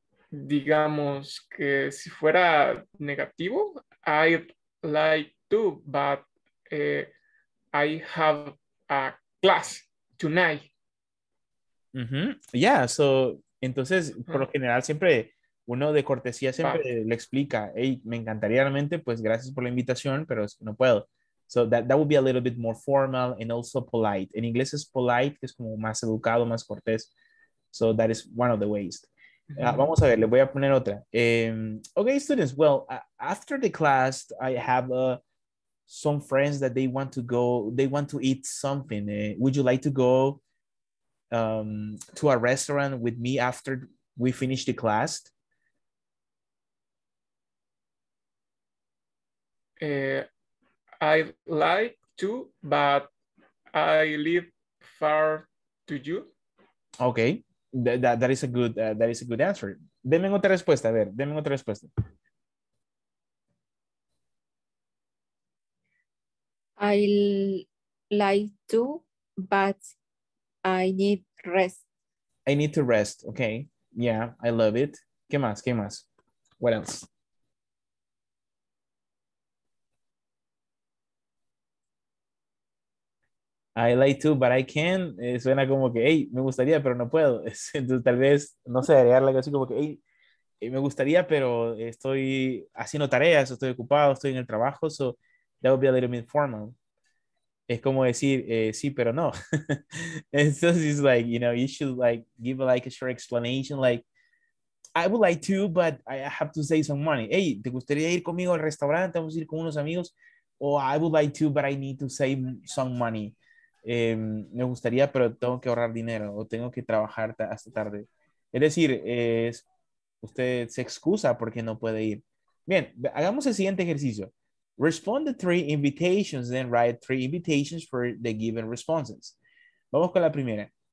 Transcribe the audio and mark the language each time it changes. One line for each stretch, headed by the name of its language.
Spanish: Digamos que si fuera negativo,
English: I'd like to, but I have a class tonight.
Spanish: Mm-hmm. Yeah, so, entonces, uh-huh. por lo general siempre... Uno de cortesía siempre le explica, hey, me encantaría realmente, pues gracias por la invitación, pero es que no puedo.
English: So that would be a little bit more formal and also polite.
Spanish: En inglés es polite, que es como más educado, más cortés.
English: So that is one of the ways.
Spanish: Mm-hmm. Vamos a ver, le voy a poner otra.
English: Okay, students, well, after the class, I have some friends that they want to eat something. Would you like to go to a restaurant with me after we finish the class? I'd like to, but I live far to you. Okay, that is a good answer.
Spanish: Deme otra respuesta, a ver, deme otra respuesta.
English: I'd like to, but I need rest. I need to rest, okay. Yeah, I love it.
Spanish: ¿Qué más, qué más?
English: What else? I like to, but I can.
Spanish: Suena como que, hey, me gustaría, pero no puedo. Entonces, tal vez, no sé, agregarle algo así como que, hey, me gustaría, pero estoy haciendo tareas, estoy ocupado, estoy en el trabajo.
English: So, that would be a little bit formal.
Spanish: Es como decir, sí, pero no.
English: Entonces, it's like, you know, you should like give like a short explanation. Like, I would like to, but I have to save some money.
Spanish: Hey, ¿te gustaría ir conmigo al restaurante? Vamos a ir con unos amigos. O
English: I would like to, but I need to save some money.
Spanish: Me gustaría, pero tengo que ahorrar dinero o tengo que trabajar hasta tarde. Es decir, usted se excusa porque no puede ir. Bien, hagamos el siguiente ejercicio.
English: Respond the three invitations, then write three invitations for the given responses.
Spanish: Vamos con la primera.